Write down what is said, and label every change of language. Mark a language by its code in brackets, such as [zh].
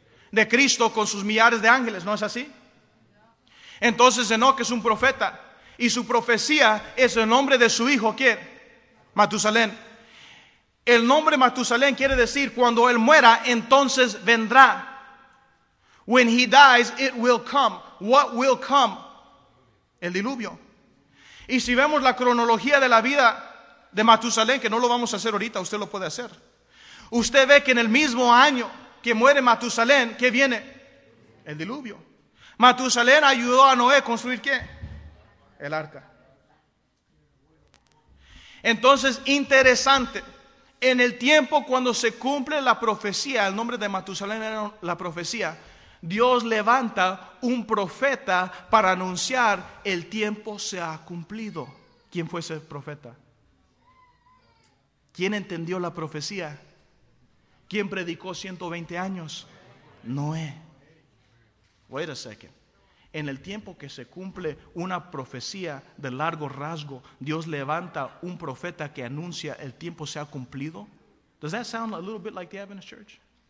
[es] De Cristo con sus millares de ángeles, ¿no es así? Entonces Enoc es un profeta y su profecía es el nombre de su hijo, ¿quién? Matusalén. El nombre Matusalén quiere decir cuando él muera, entonces vendrá. [en] When he dies, it will come. What will come? [es] El diluvio. Y si vemos la cronología de la vida de Matusalén, que no lo vamos a hacer ahorita, usted lo puede hacer. Usted ve que en el mismo año que muere Matusalén, ¿qué viene? El diluvio. Matusalén ayudó a Noé a construir ¿qué? El arca. Entonces, interesante, en el tiempo cuando se cumple la profecía, el nombre de Matusalén era la profecía, Dios levanta un profeta para anunciar el tiempo se ha cumplido. ¿Quién fue ese profeta? ¿Quién entendió la profecía? ¿Quién predicó 120 años? Noé. [en] Wait a second. [es] En el tiempo que se cumple una profecía de largo rasgo, Dios levanta un profeta que anuncia el tiempo se ha cumplido. [en] Does that sound a little bit like the Adventist Church?